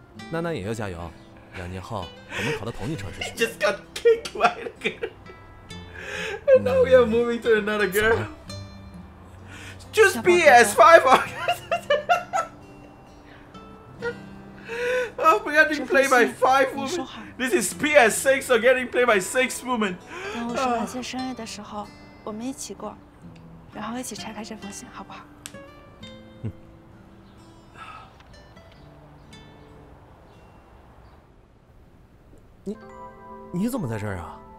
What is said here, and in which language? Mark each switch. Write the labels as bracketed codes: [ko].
[zh] 娜娜也要加油，两年后我们考到同一城市去。 [en] Just got kicked by the girl, and now we are moving to another girl. Just PS5. Oh, we're getting played by five women. This is PS6, so getting played by six women. [zh] 等我说感谢生日的时候，我们一起过，然后一起拆开这封信，好不好？你怎么在这儿啊？